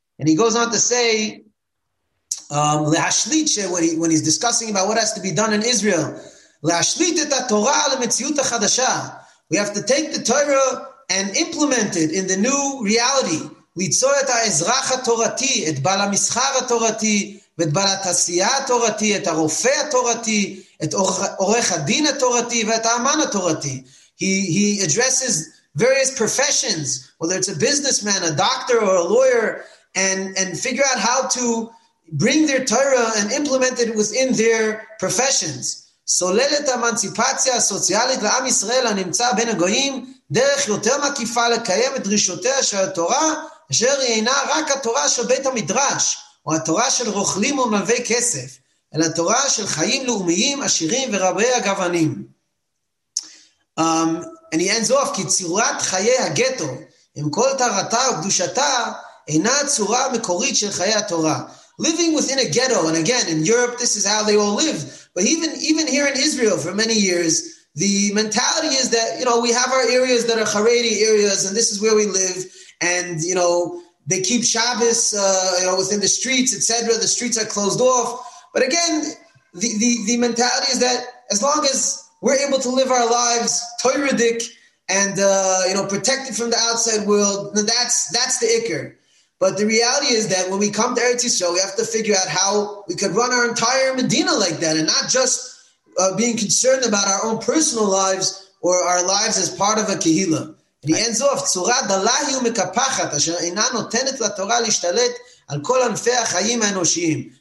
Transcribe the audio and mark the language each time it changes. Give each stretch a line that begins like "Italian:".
English: And he goes on to say, when he's discussing about what has to be done in Israel, we have to take the Torah and implement it in the new reality.
Hebrew: ואת בעל התעשייה התורתי, את הרופא התורתי, את עורך הדין התורתי, ואת האמן התורתי.
English: He addresses various professions, whether it's a businessman, a doctor, or a lawyer, and figure out how to bring their Torah and implement it within their professions.
Hebrew: סוללת האמנציפציה הסוציאלית לעם ישראל הנמצא בין הגויים, דרך יותר מקיפה לקיים את דרישותיה של התורה, אשר היא אינה רק התורה של בית המדרש, או התורה של רוכלים ומלווי כסף, אלא התורה של חיים לאומיים, עשירים ורבי הגוונים. אני אין זו אף כי צורת חיי הגטו, עם כל תרתה וקדושתה, אינה הצורה המקורית של חיי התורה.
English: Living within a ghetto, and again, in Europe, this is how they all live. But even here in Israel, for many years, the mentality is that, you know, we have our areas that are Haredi areas, and this is where we live, and, you know, they keep Shabbos, you know, within the streets, etc. The streets are closed off. But again, the mentality is that as long as we're able to live our lives Torahdik and, you know, protected from the outside world, then that's the ikker. But the reality is that when we come to Eretz Yisrael, we have to figure out how we could run our entire Medina like that and not just being concerned about our own personal lives or our lives as part of a kehila. And he ends off,
Hebrew: צורה דלהי ומקפחת אשר אינה נותנת לתורה להשתלט על כל ענפי החיים האנושיים.